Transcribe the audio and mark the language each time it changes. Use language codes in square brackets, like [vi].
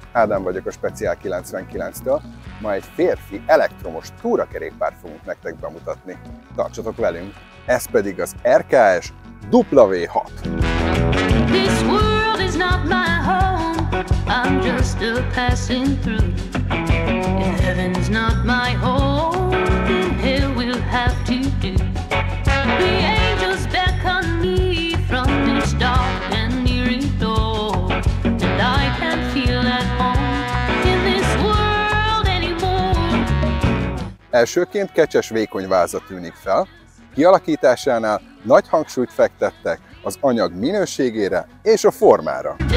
[hu] Ádám vagyok a Speciál 99-től. Ma egy férfi elektromos túrakerékpárt fogunk nektek bemutatni. Tartsatok velünk! Ez pedig az RKS W6. [en] This world is not my home, I'm just a passing through. If heaven's not my home, then hell will have to do. The angels beckon me from this dark and eerie door, and I can't feel at home in this world anymore. [hu] Elsőként kecses vékony váza tűnik fel. Kialakításánál nagy hangsúlyt fektettek az anyag minőségére és a formára.